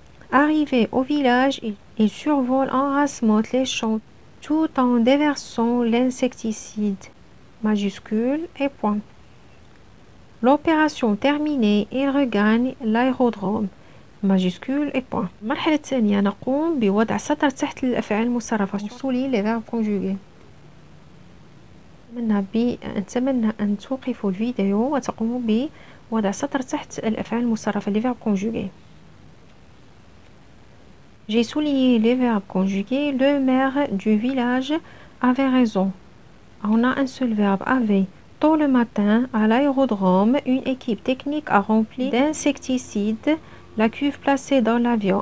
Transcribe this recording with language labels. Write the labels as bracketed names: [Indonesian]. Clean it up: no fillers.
[French] Arrivé au village, il survole en rasemont les champs. Tout en déversant l'insecticide. Majuscule et point. L'opération terminée, il regagne l'aérodrome. Majuscule et point. [Arabic] مرحلة الثانية نقوم بوضع سطر تحت الأفعال المصرفة. [French] سولي les verbes conjugués. [Arabic] نتمنى أن توقفوا الفيديو وتقوموا بوضع سطر تحت الأفعال المصرفة [French] les verbes conjugués. J'ai souligné les verbes conjugués. Le maire du village avait raison. On a un seul verbe avait. Tôt le matin, à l'aérodrome, une équipe technique a rempli d'insecticides la cuve placée dans l'avion.